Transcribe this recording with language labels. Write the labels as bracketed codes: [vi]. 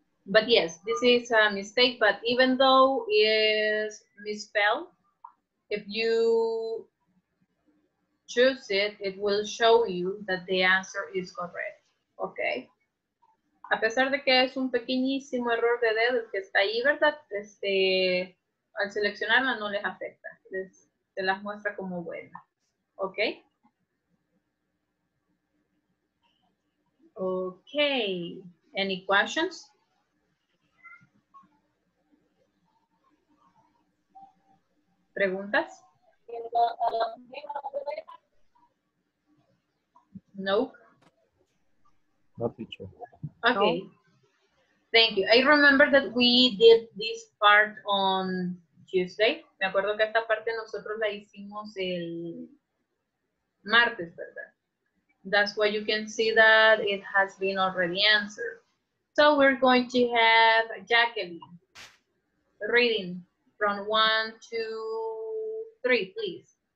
[en] But yes, this is a mistake, but even though it is misspelled, if you choose it, it will show you that the answer is correct. Okay. [es] A pesar de que es un pequeñísimo error de dedo que está ahí, ¿verdad? Este, al seleccionarla no les afecta. Les, se las muestra como buena. Okay. [en] Okay. Any questions? [es] ¿Preguntas? [en] Nope. No teacher. Okay. No. Thank you. I remember that we did this part on Tuesday. [es] Me acuerdo que esta parte nosotros la hicimos el martes, ¿verdad? [en] That's why you can see that it has been already answered. So we're going to have Jacqueline reading from 1, 2, 3, please.